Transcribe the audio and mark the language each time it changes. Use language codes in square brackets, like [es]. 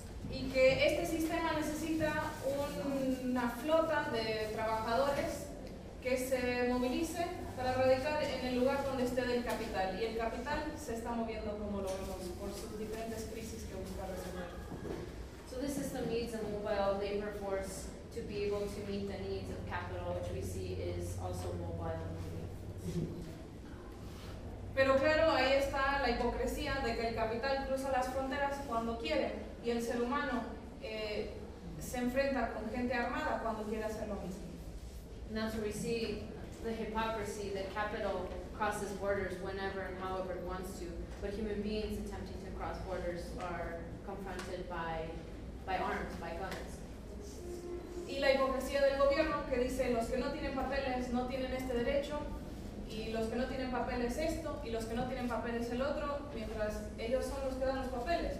[es] Y que este sistema necesita una flota de trabajadores que se movilice para radicar en el lugar donde esté el capital. Y el capital se está moviendo como lo vemos por sus diferentes crisis que busca resolver. [en] So this system needs a mobile labor force to be able to meet the needs of capital, which we see is also mobile. [es] Pero claro, ahí está la hipocresía de que el capital cruza las fronteras cuando quiere y el ser humano se enfrenta con gente armada cuando quiere hacer lo mismo. [en] And that's where we see the hypocrisy that capital crosses borders whenever and however it wants to, but human beings attempting to cross borders are confronted by arms, by guns. [es] Y la hipocresía del gobierno que dice los que no tienen papeles no tienen este derecho, y los que no tienen papeles esto, y los que no tienen papeles el otro, mientras ellos son los que dan los papeles.